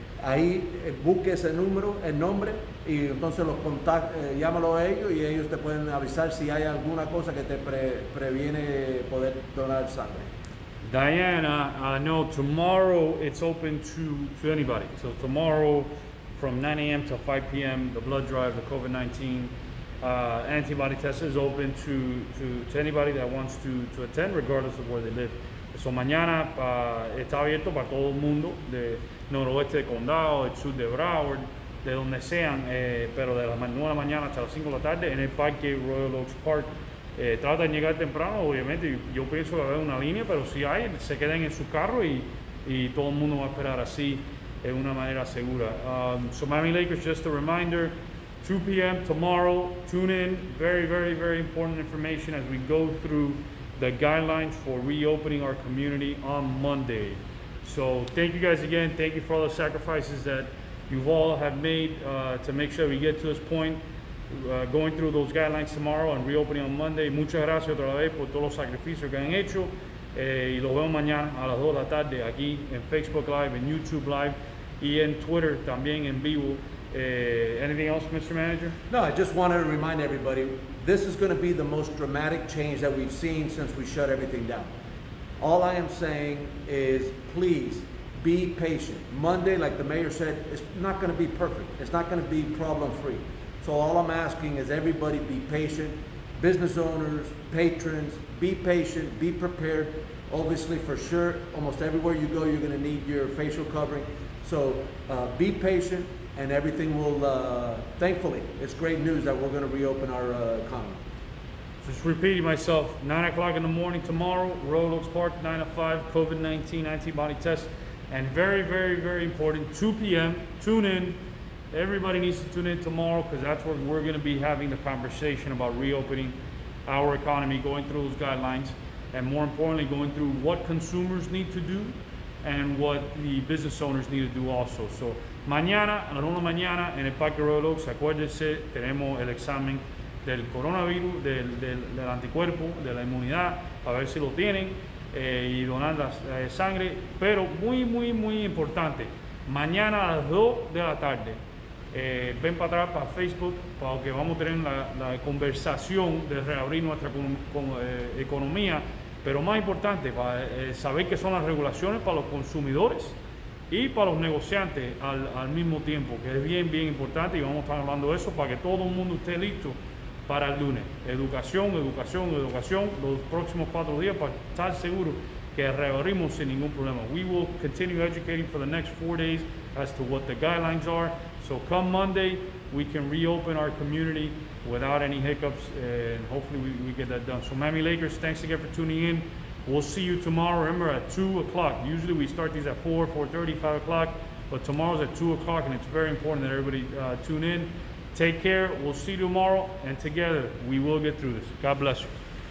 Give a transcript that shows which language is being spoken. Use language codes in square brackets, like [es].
[es] ahí busque ese número, el nombre, y entonces los contacta, llámalo a ellos y ellos te pueden avisar si hay alguna cosa que te previene poder donar sangre. [en] Diana, I know tomorrow it's open to anybody. So tomorrow from 9 a.m. to 5 p.m., the blood drive, the COVID-19 antibody test is open to anybody that wants to attend, regardless of where they live. [es] So mañana está abierto para todo el mundo, de noroeste de condado, el sur de Broward, de donde sean, pero de las 9 de la mañana hasta las 5 de la tarde en el Parque Royal Oaks Park. Trata de llegar temprano, obviamente, yo pienso que va a haber una línea, pero si hay, se queden en su carro y todo el mundo va a esperar así, en una manera segura. [en] So Miami Lakers, just a reminder, 2 p.m. tomorrow, tune in, very, very, very important information as we go through the guidelines for reopening our community on Monday. So thank you guys again, thank you for all the sacrifices that you've all have made to make sure we get to this point. Going through those guidelines tomorrow and reopening on Monday. [es] Muchas gracias otra vez por todos los sacrificios que han hecho. Y los veo mañana a las 2 de la tarde aquí en Facebook Live, en YouTube Live, y en Twitter también en vivo. [en] Anything else, Mr. Manager? No, I just wanted to remind everybody, this is going to be the most dramatic change that we've seen since we shut everything down. All I am saying is, please, be patient. Monday, like the mayor said, it's not going to be perfect. It's not going to be problem-free. So all I'm asking is everybody be patient, business owners, patrons, be patient, be prepared. Obviously, for sure, almost everywhere you go, you're going to need your facial covering. So be patient, and everything will, thankfully, it's great news that we're going to reopen our economy. Just repeating myself, 9 o'clock in the morning tomorrow, Royal Oaks Park, 9 to 5, COVID-19 antibody test. And very, very, very important, 2 p.m., tune in. Everybody needs to tune in tomorrow because that's where we're going to be having the conversation about reopening our economy, going through those guidelines, and more importantly, going through what consumers need to do and what the business owners need to do also. [es] So mañana, a la 1 de la mañana, en el Parque Royal Oaks, acuérdense, tenemos el examen del coronavirus, del anticuerpo, de la inmunidad, a ver si lo tienen, y donar la sangre. Pero muy, muy, muy importante, mañana a las 2 de la tarde, ven para atrás para Facebook, para que vamos a tener la conversación de reabrir nuestra economía. Pero más importante, para saber qué son las regulaciones para los consumidores y para los negociantes al mismo tiempo, que es bien, bien importante, y vamos a estar hablando de eso para que todo el mundo esté listo para el lunes. Educación, educación, educación, los próximos 4 días para estar seguro que reabrimos sin ningún problema. [en] We will continue educating for the next 4 days as to what the guidelines are. So come Monday, we can reopen our community without any hiccups, and hopefully we get that done. So Miami Lakers, thanks again for tuning in. We'll see you tomorrow. Remember, at 2 o'clock. Usually we start these at 4, 4:30, 5 o'clock, but tomorrow's at 2 o'clock, and it's very important that everybody tune in. Take care. We'll see you tomorrow, and together we will get through this. God bless you.